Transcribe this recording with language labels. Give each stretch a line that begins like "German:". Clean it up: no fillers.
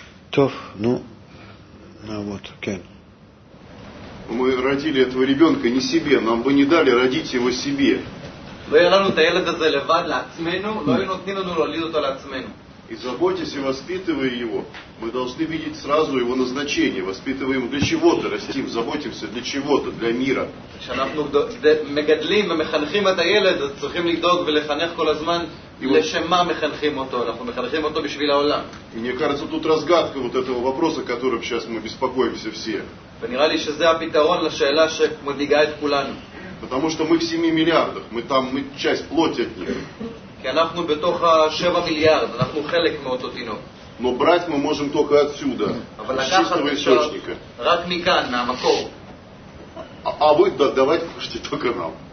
Russian: טוב, ну, ну вот, כן. Мы родили этого ребёнка не себе, нам бы не дали родить его себе.
Hebrew: לא יראנו את הילד הזה לבד לעצמנו, לא היו נותנים לנו להוליד אותו לעצמנו.
Russian: И заботясь и воспитывая его, мы должны видеть сразу его назначение. Воспитываем для чего-то, растим, заботимся для чего-то, для мира.
Hebrew: כשאנחנו מגדלים ומחנכים את הילד, צריכים לדאוג ולחנך כל הזמן, לשם מה מחנכים אותו, אנחנו מחנכים אותו בשביל העולם.
Russian: И мне кажется, тут разгадка вот этого вопроса, которым сейчас мы беспокоимся все.
Hebrew: ונראה לי שזה הפתרון לשאלה שמדאיגה את כולנו.
Russian: Потому что мы в 7 миллиардах, мы там, мы часть плоти от них.
Hebrew: כי אנחנו בתוך ה-7 מיליארד, אנחנו חלק מאותו תינוק.
Russian: Но брать мы можем только отсюда, אבל с чистого источника.
Hebrew: רק מכאן, מהמקור.
Russian: А вы давайте кушайте только нам.